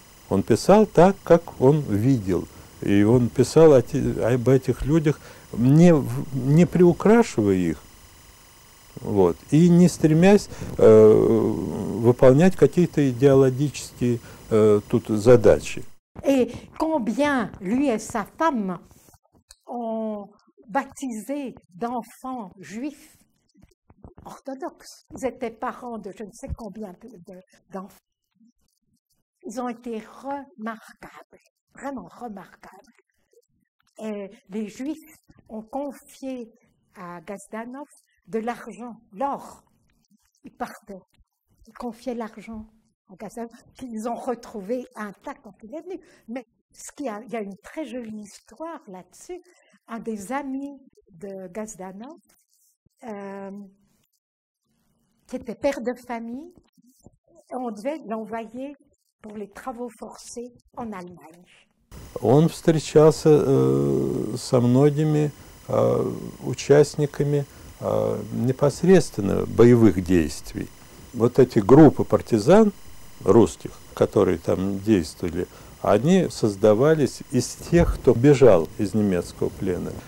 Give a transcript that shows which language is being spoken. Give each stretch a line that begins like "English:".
Russian: Он писал так, как он видел. И он писал об этих людях, не приукрашивая их, вот, и не стремясь выполнять какие-то идеологические тут задачи.
French: Et combien lui et sa femme ont baptisé d'enfants juifs orthodoxes. Ils étaient parents de je ne sais combien d'enfants. Ils ont été remarquables, vraiment remarquables. Et les juifs ont confié à Gazdanov de l'argent, l'or. Ils partaient, ils confiaient l'argent. En Gazdanov, qu'ils ont retrouvé intact quand il est venu. Mais ce qu'il y a, il y a une très jolie histoire là-dessus. Un des amis de Gazdanov, qui était père de famille, on devait l'envoyer pour les travaux forcés en Allemagne.
Russian: Он встречался со многими участниками непосредственно боевых действий. Вот эти группы партизан русских, которые там действовали, они создавались из тех, кто бежал из немецкого плена.